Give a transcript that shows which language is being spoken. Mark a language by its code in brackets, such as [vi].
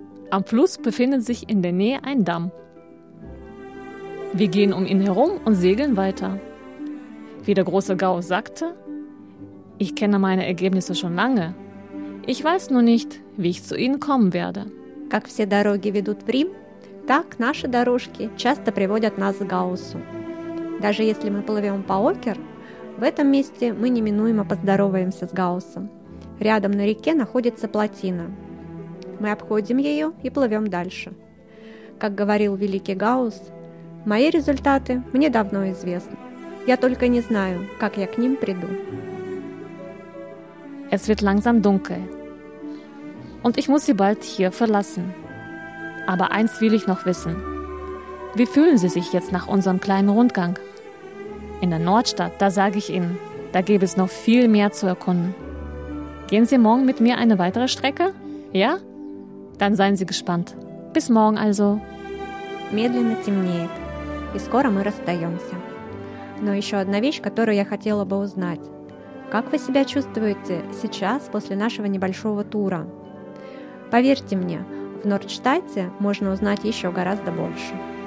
[de] Am Fluss befindet sich in der Nähe ein Damm. Wir gehen um ihn herum und segeln weiter. Wie der große Gauss sagte, ich kenne meine Ergebnisse schon lange. Ich weiß nur nicht, wie ich zu ihnen kommen werde. [ru] Как все дороги ведут в Рим, так наши дорожки часто приводят нас к Гауссу. Даже если мы плывем по Окер, в этом месте мы неминуемо поздороваемся с Гауссом. Рядом на реке находится плотина. Мы обходим ее и плывем дальше. Как говорил великий Гаусс, мои результаты мне давно известны. Я только не знаю, как я к ним приду. [de] Es wird langsam dunkel. Und ich muss Sie bald hier verlassen. Aber eins will ich noch wissen. Wie fühlen Sie sich jetzt nach unserem kleinen Rundgang? In der Nordstadt, da sage ich Ihnen, da gäbe es noch viel mehr zu erkunden. Gehen Sie morgen mit mir eine weitere Strecke? Ja? Dann seien Sie gespannt. Bis morgen also. [ru] Медленно темнеет. И скоро мы расстаемся. Но еще одна вещь, которую я хотела бы узнать. Как вы себя чувствуете сейчас, после нашего небольшого тура? Поверьте мне, в Нордштадте можно узнать еще гораздо больше.